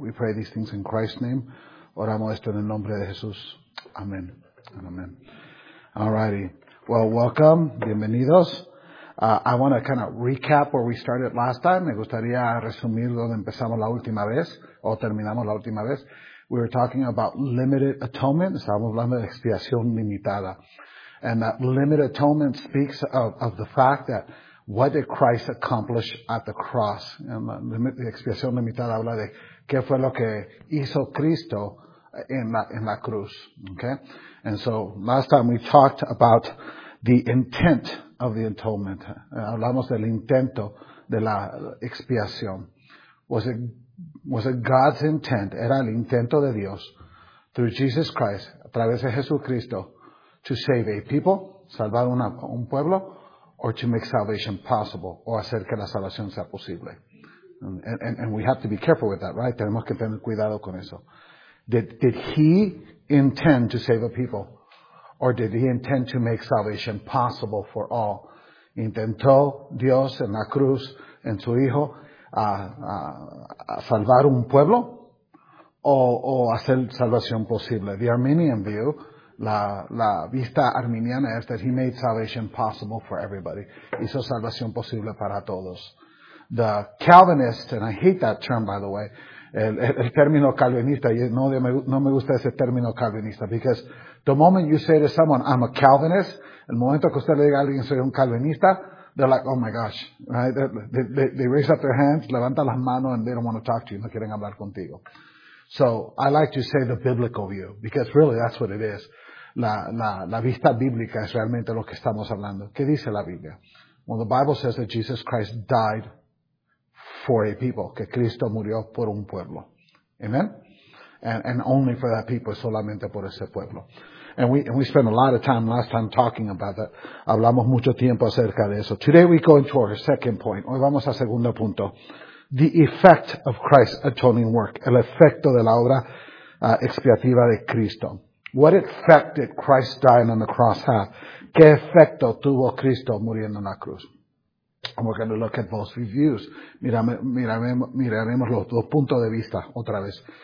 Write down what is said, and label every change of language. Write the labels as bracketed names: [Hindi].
[English] We pray these things in Christ's name. Oramos esto en el nombre de Jesús. Amen. Amen. Alrighty. Well, welcome. Bienvenidos. I want to kind of recap where we started last time. [Spanish] Me gustaría resumir donde empezamos la última vez, o terminamos la última vez. [English] We were talking about limited atonement. Estábamos hablando de expiación limitada. And that limited atonement speaks of the fact that what did Christ accomplish at the cross? [Spanish] And la expiación limitada habla de qué fue lo que hizo Cristo en la cruz. Okay? [English] And so last time we talked about the intent of the atonement. [Spanish] Hablamos del intento de la expiación. Was it God's intent? Era el intento de Dios through Jesus Christ, a través de Jesucristo, to save a people, salvar un pueblo, or to make salvation possible, o hacer que la salvación sea posible. [English] And we have to be careful with that, right? Tenemos que tener cuidado con eso. Did he intend to save a people? Or did he intend to make salvation possible for all? [Spanish] Intentó Dios en la cruz, en su Hijo, a salvar un pueblo? O hacer salvación posible? [English] The Arminian view, la vista arminiana es that he made salvation possible for everybody. Hizo salvación posible para todos. The Calvinist, and I hate that term by the way, el término calvinista, no me gusta ese término calvinista, because the moment you say to someone, I'm a Calvinist, el momento que usted le diga a alguien, soy un calvinista, they're like, oh my gosh, right? They raise up their hands, levanta las manos, and they don't want to talk to you, no quieren hablar contigo. So, I like to say the biblical view, because really that's what it is. [Spanish] La vista bíblica es realmente lo que estamos hablando. [English] ¿Qué dice la Biblia? Well, the Bible says that Jesus Christ died for a people, que Cristo murió por un pueblo. Amen? And only for that people, solamente por ese pueblo. And we spent a lot of time last time talking about that. Hablamos mucho tiempo acerca de eso. Today we go into our second point. Hoy vamos a segundo punto. The effect of Christ's atoning work. [Spanish] El efecto de la obra expiativa de Cristo. [English] What effect did Christ dying on the cross have? [Spanish] ¿Qué efecto tuvo Cristo muriendo en la cruz? [English] And we're going to look at both reviews. [Spanish] Miraremos los dos puntos de vista otra vez.